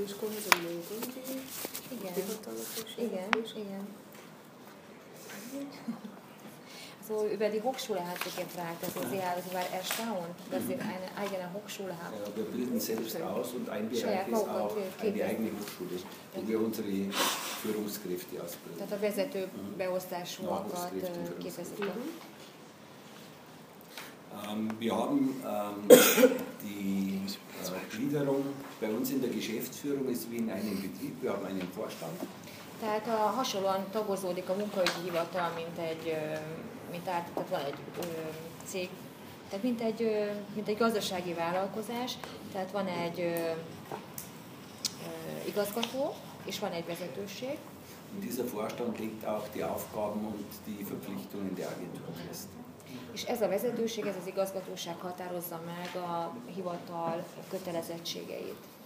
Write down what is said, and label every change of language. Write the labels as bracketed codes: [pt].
[hu] iskola, az a munkahelyen. Igen. Szóval [de] über die Hochschule hat sich gefragt, also sie hat war erstaunt, dass sie eine eigene Hochschule haben. Ja, wir bilden selbst aus und ein Bereich ist auch eine eigene Hochschule, wo wir unsere Führungskräfte ausbilden. [hu] Tehát a vezető beosztásunkat képezik. [de] Wir haben die Gliederung bei uns in der Geschäftsführung ist wie in einem Betrieb, wir haben einen Vorstand. [hu] Tehát a hasonlóan tagozódik a munkaügyi hivatal, mint egy tehát van egy cég, tehát mint egy gazdasági vállalkozás, tehát van egy igazgató és van egy vezetőség. [de] Und dieser Vorstand legt auch die Aufgaben und die Verpflichtungen der Agentur fest. [hu] És ez a vezetőség, ez az igazgatóság határozza meg a hivatal kötelezettségeit.